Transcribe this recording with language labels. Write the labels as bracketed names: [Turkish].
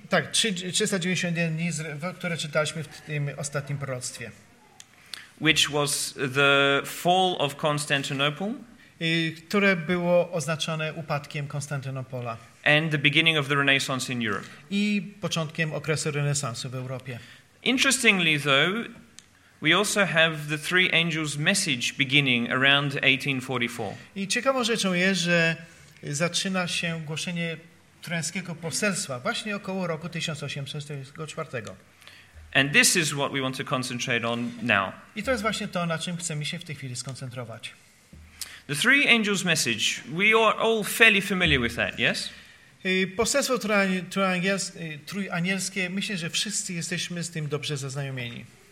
[Polish] Tak, 391 dni, które czytaliśmy w tym ostatnim proroctwie. [English] Which was the fall of Constantinople? [Polish] Które było oznaczone upadkiem Konstantynopola. [English] And the beginning of the Renaissance in Europe. [Polish] I początkiem okresu renesansu w Europie. [English] Interestingly though, we also have the three angels' message beginning around 1844. [Polish] I ciekawą rzeczą jest, że zaczyna się głoszenie trojańskiego poselstwa właśnie około roku 1844. [English] And this is what we want to concentrate on now. [Polish] I to jest właśnie to, na czym chcemy się w tej chwili skoncentrować. [English] The three angels' message. We are all fairly familiar with that, yes? [Polish] Poselstwo trójanielskie, myślę, że wszyscy jesteśmy z tym dobrze zaznajomieni.